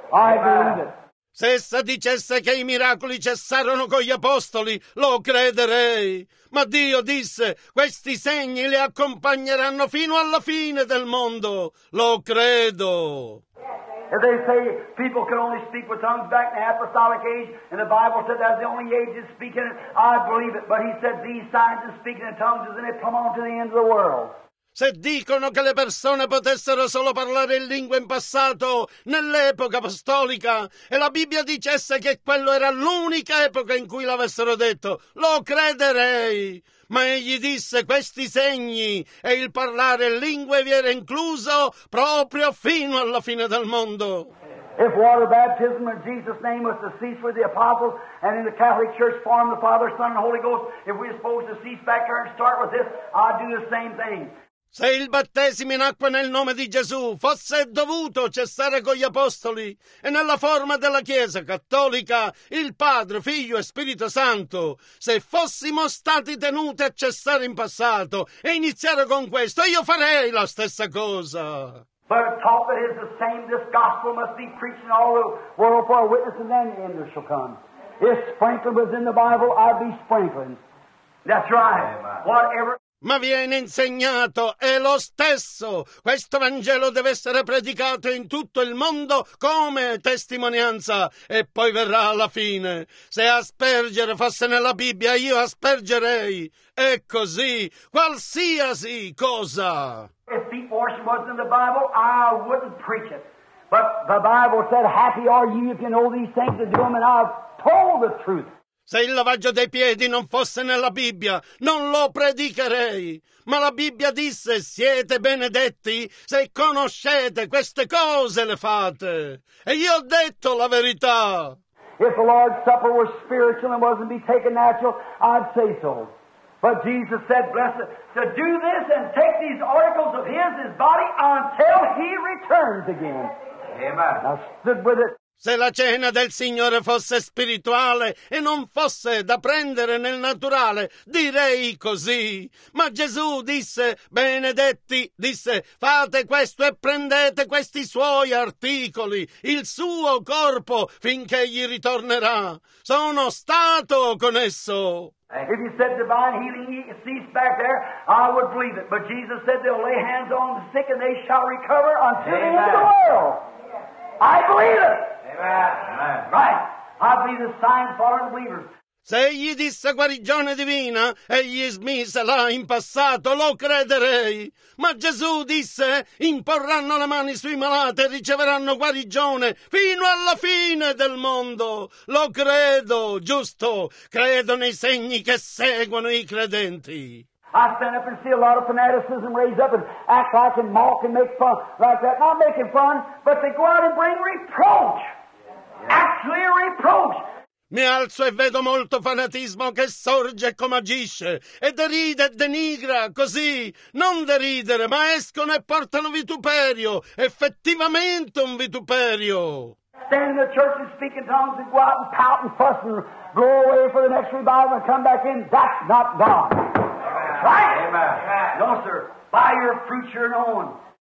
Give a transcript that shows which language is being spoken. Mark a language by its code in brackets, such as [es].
[en] I believe it. [it] Se essa dicesse che i miracoli cessarono con gli apostoli, lo crederei. Ma Dio disse, questi segni li accompagneranno fino alla fine del mondo. Lo credo. [en] If they say people can only speak with tongues back in the apostolic age, and the Bible said that's the only age to speak in it, I believe it. But he said these signs of speaking in tongues is going to come on to the end of the world. [it] Se dicono che le persone potessero solo parlare in lingua in passato, nell'epoca apostolica, e la Bibbia dicesse che quello era l'unica epoca in cui l'avessero detto, lo crederei. Ma egli disse questi segni e il parlare in lingua vi era incluso proprio fino alla fine del mondo. [en] If water baptism in Jesus' name was to cease with the apostles and in the Catholic Church form the Father, Son, and Holy Ghost, if we're supposed to cease back there and start with this, I'd do the same thing. [it] Se il battesimo in acqua nel nome di Gesù fosse dovuto cessare con gli apostoli e nella forma della Chiesa cattolica, il Padre, Figlio e Spirito Santo, se fossimo stati tenuti a cessare in passato e iniziare con questo, io farei la stessa cosa. [en] But it's taught that it's the same, this gospel must be preached in all the world for a witness, and then the end shall come. If sprinkling was in the Bible, I'd be sprinkling. That's right. Whatever. [it] Ma viene insegnato, è lo stesso. Questo Vangelo deve essere predicato in tutto il mondo come testimonianza e poi verrà alla fine. Se aspergere fosse nella Bibbia, io aspergerei. È così, qualsiasi cosa. [en] If the portion was in the Bible, I wouldn't preach it. But the Bible said, happy are you if you know these things and do them, and I've told the truth. [it] Se il lavaggio dei piedi non fosse nella Bibbia, non lo predicherei. Ma la Bibbia disse, siete benedetti se conoscete queste cose, le fate. E io ho detto la verità. [en] If the Lord's Supper was spiritual and wasn't be taken natural, I'd say so. But Jesus said, blessed, to do this and take these articles of his body until he returns again. Amen. I stood with it. [it] Se la cena del Signore fosse spirituale e non fosse da prendere nel naturale, direi così. Ma Gesù disse, benedetti, disse, fate questo e prendete questi suoi articoli, il suo corpo, finché gli ritornerà. Sono stato con esso. [en] If you said divine healing ceased back there, I would believe it. But Jesus said they'll lay hands on the sick and they shall recover until the end of the world. I believe it. Amen. Right. I'll be the sign for the believers. [it] Se egli disse guarigione divina e gli smise là in passato, lo crederei. Ma Gesù disse, imporranno le mani sui malati e riceveranno guarigione fino alla fine del mondo. Lo credo, giusto. Credo nei segni che seguono i credenti. [en] I stand up and see a lot of fanaticism raise up and act like and mock and make fun like that. Not making fun, but they go out and bring reproach. Actually reproach. [it] Mi alzo e vedo molto fanatismo che sorge e come agisce e deride e denigra così, non deridere, ma escono e portano vituperio, effettivamente un vituperio. [en] Stand in the church and speak in tongues and go out and pout and fuss and go away for the next revival and come back in. That's not God. Amen. Right? Amen. No, sir. By your fruit you're known.